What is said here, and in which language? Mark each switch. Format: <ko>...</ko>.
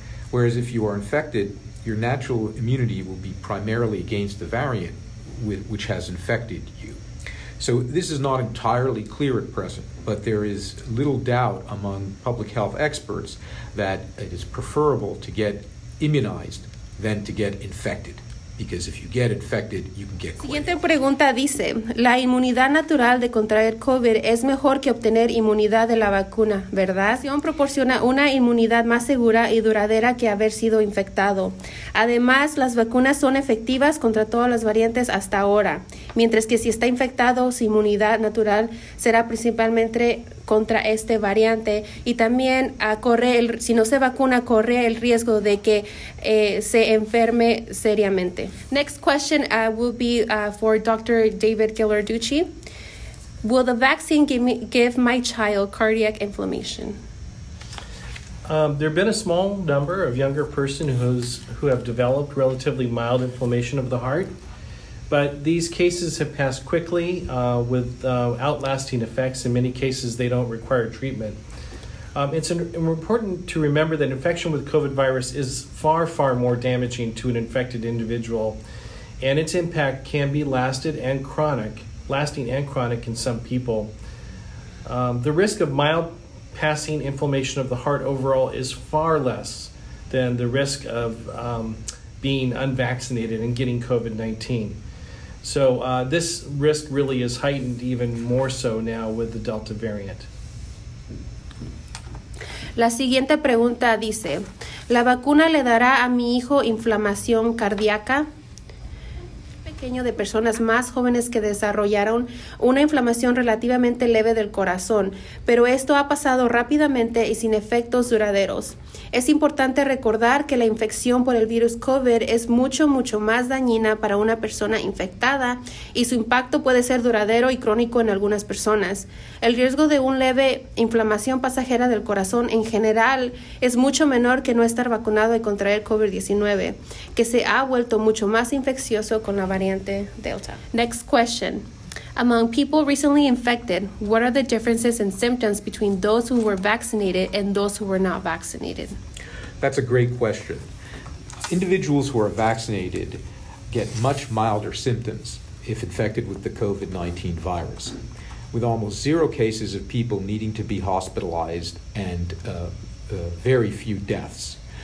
<en>Whereas if you are infected, your natural immunity will be primarily against the variant which has infected you. So this is not entirely clear at present, but there is little doubt among public health experts that it is preferable to get immunized than to get infected. Because if you get infected, you can get COVID.</en> <es>Siguiente pregunta dice, la inmunidad natural de contraer COVID es mejor que obtener inmunidad de la vacuna, ¿verdad? La vacuna proporciona una inmunidad más segura y duradera que haber sido infectado. Además, las vacunas son efectivas contra todas las variantes hasta ahora. Mientras que si está infectado, su inmunidad natural será principalmente contra este variante. Y también, si no se vacuna, corre el riesgo de que se enferme seriamente.</es> <en>Next question will be for Dr. David Ghilarducci. Will the vaccine give my child cardiac inflammation? There have been a small number of younger persons who have developed relatively mild inflammation of the heart, but these cases have passed quickly with outlasting effects. In many cases, they don't require treatment. It's important to remember that infection with COVID virus is far, far more damaging to an infected individual, and its impact can be lasting and chronic in some people. The risk of mild passing inflammation of the heart overall is far less than the risk of being unvaccinated and getting COVID-19. So this risk really is heightened even more so now with the Delta variant.</en> <es>La siguiente pregunta dice, ¿la vacuna le dará a mi hijo inflamación cardíaca? Un pequeño de personas más jóvenes que desarrollaron una inflamación relativamente leve del corazón, pero esto ha pasado rápidamente y sin efectos duraderos. Es importante recordar que la infección por el virus COVID es mucho, mucho más dañina para una persona infectada y su impacto puede ser duradero y crónico en algunas personas. El riesgo de una leve inflamación pasajera del corazón en general es mucho menor que no estar vacunado y contraer COVID-19, que se ha vuelto mucho más infeccioso con la variante Delta.</es> <en>Next question. Among people recently infected, what are the differences in symptoms between those who were vaccinated and those who were not vaccinated? That's a great question. Individuals who are vaccinated get much milder symptoms if infected with the COVID-19 virus, with almost zero cases of people needing to be hospitalized and very few deaths.</en>